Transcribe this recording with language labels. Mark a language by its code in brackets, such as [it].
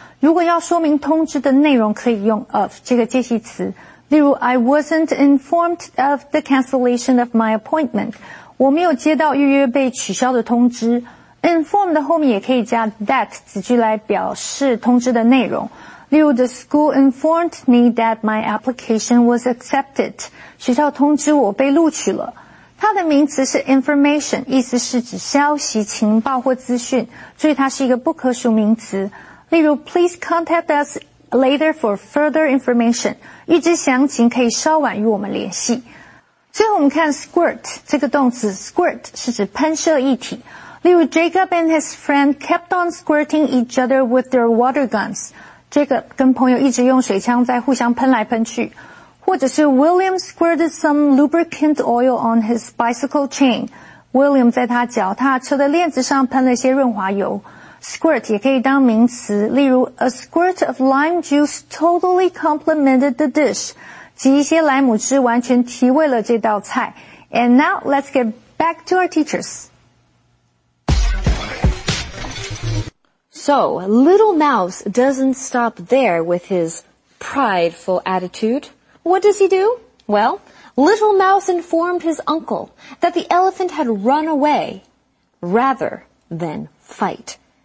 [zh] 如果要说明通知的内容可以用 of 这个介系词。例如 [en] I wasn't informed of the cancellation of my appointment. [zh] 我没有接到预约被取消的通知。 inform 的后面也可以加 that 子句来表示通知的内容。例如 [en] the school informed me that my application was accepted. [zh] 学校通知我被录取了。它的名词是 information， 意思是指消息、情报或资讯，所以它是一个不可数名词。例如 [en] please contact us later for further information， [zh] 预知详情可以稍晚与我们联系。最后我们看 squirt 这个动词， squirt 是指喷射液体。例如 [en] Jacob and his friend kept on squirting each other with their water guns， Jacob [zh] 跟朋友一直用水枪在互相喷来喷去。或者是 [en] William squirted some lubricant oil on his bicycle chain. [zh] William 在他脚踏车的链子上喷了些润滑油。 [en] Squirt [zh] 也可以当名词，例如 [en] A squirt of lime juice totally complemented the dish. [zh] 挤一些莱姆汁完全提味了这道菜。 [en] And now let's get back to our teachers. So, Little Mouse doesn't stop there with his prideful attitude. What does he do? Well, Little Mouse informed his uncle that the elephant had run away rather than fight.